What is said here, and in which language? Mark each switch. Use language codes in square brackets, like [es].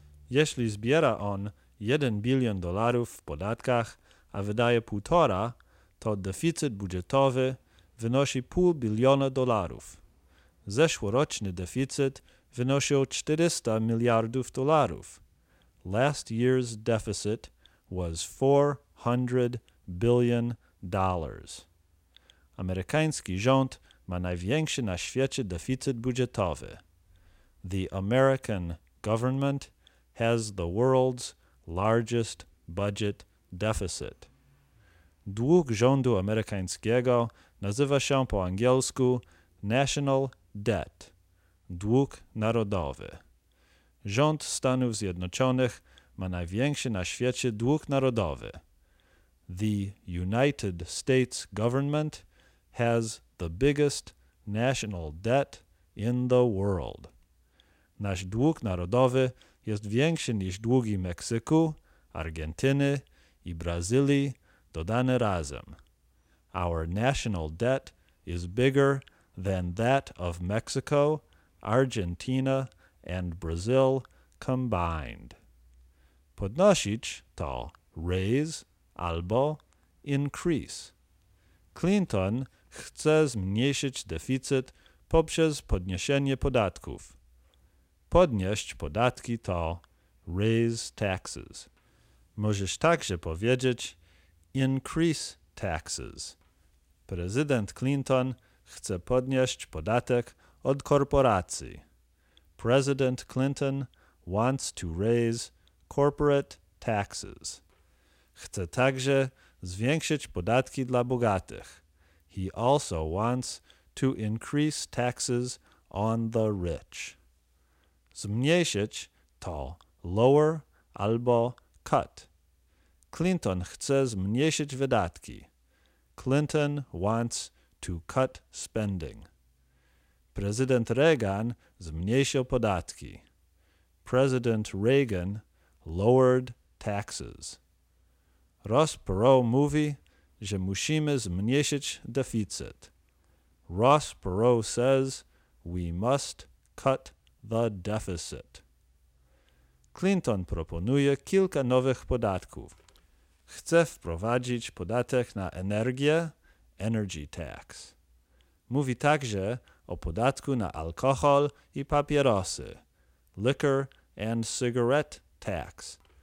[pl] Jeśli zbiera on 1 bilion dolarów w podatkach, a wydaje 1,5, to deficyt budżetowy wynosi 0,5 biliona dolarów. Zeszłoroczny deficyt wynosił 400 miliardów dolarów. [en] Last year's deficit was 400 billion dollars. [pl] Amerykański rząd ma największy na świecie deficyt budżetowy. [en] The American government has the world's largest budget deficit. [pl] Dług rządu amerykańskiego nazywa się po angielsku [en] national debt, [pl] dług narodowy. Rząd Stanów Zjednoczonych ma największy na świecie dług narodowy. [en] The United States government has the biggest national debt in the world. [pl] Nasz dług narodowy jest większy niż długi Meksyku, Argentyny i Brazylii dodane razem. [en] Our national debt is bigger than that of Mexico, Argentina and Brazil combined. [pl] Podnosić to raise albo increase. Clinton chce zmniejszyć deficyt poprzez podniesienie podatków. Podnieść podatki to [en] raise taxes. [pl] Możesz także powiedzieć [en] increase taxes. [pl] Prezydent Clinton chce podnieść podatek od korporacji. [en] President Clinton wants to raise corporate taxes. [pl] Chce także zwiększyć podatki dla bogatych. [en] He also wants to increase taxes on the rich. [pl] Zmniejszyć to lower albo cut. Clinton chce zmniejszyć wydatki. [en] Clinton wants to cut spending. [pl] Prezydent Reagan zmniejszył podatki. [en] President Reagan lowered taxes. [pl] Ross Perot mówi, że musimy zmniejszyć deficyt. [en] Ross Perot says we must cut the deficit. [pl] Clinton proponuje kilka nowych podatków. Chce wprowadzić podatek na energię, [en] energy tax. [pl] Mówi także o podatku na alkohol i papierosy, [en] liquor and cigarette tax.